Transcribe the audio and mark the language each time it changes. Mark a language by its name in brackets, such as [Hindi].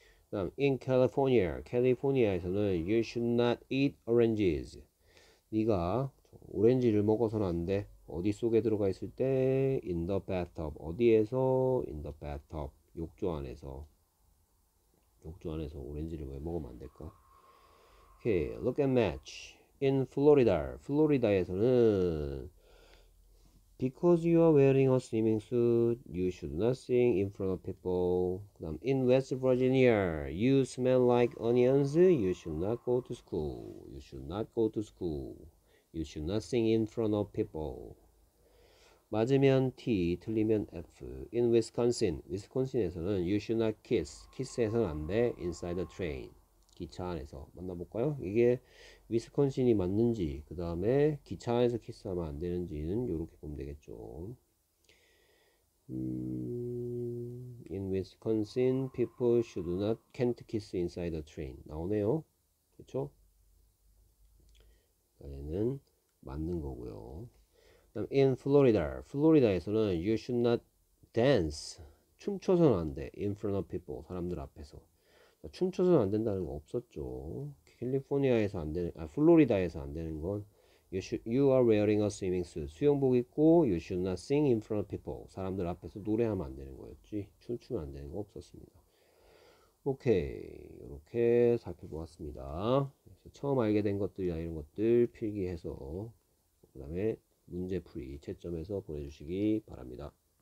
[Korean] 다음, [English] in California. [Korean] California에서는 [English] You should not eat oranges. [Korean] 네가 오렌지를 먹어서는 안 돼. 어디 속에 들어가 있을 때? [English] In the bathtub. [Korean] 어디에서? [English] In the bathtub. [Korean] 욕조 안에서. 욕조 안에서 오렌지를 왜 먹으면 안 될까? [English] Okay. Look at match. In Florida. [Korean] Florida에서는 [English] Because you are wearing a swimming suit, you should not sing in front of people. [Korean] 그다음, [English] in West Virginia, you smell like onions. You should not go to school. You should not go to school. You should not sing in front of people. [Korean] 맞으면 T, 틀리면 F. [English] In Wisconsin, [Korean] Wisconsin에서는 [English] you should not kiss. [Korean] Kiss에서는 안 돼. [English] Inside the train. [Korean] 기차 안에서. 만나볼까요? 이게 위스콘신이 맞는지, 그 다음에 기차 안에서 키스하면 안 되는지는 이렇게 보면 되겠죠. [English] In Wisconsin, people should not, can't kiss inside the train. [Korean] 나오네요. 그쵸? 얘는 맞는 거고요. [English] In Florida, [Korean] Florida에서는 [English] you should not dance. [Korean] 춤춰서는 안 돼. [English] In front of people. [Korean] 사람들 앞에서. 춤춰서는 안 된다는 거 없었죠. 캘리포니아에서 안 되는, 아, 플로리다에서 안 되는 건 [English] you are wearing a swimming suit. [Korean] 수영복 입고 [English] you should not sing in front of people. [Korean] 사람들 앞에서 노래하면 안 되는 거였지. 춤추면 안 되는 거 없었습니다. [English] 오케이. [Korean] 이렇게 살펴보았습니다. 처음 알게 된 것들이나 이런 것들 필기해서 그다음에 문제풀이 채점해서 보내주시기 바랍니다.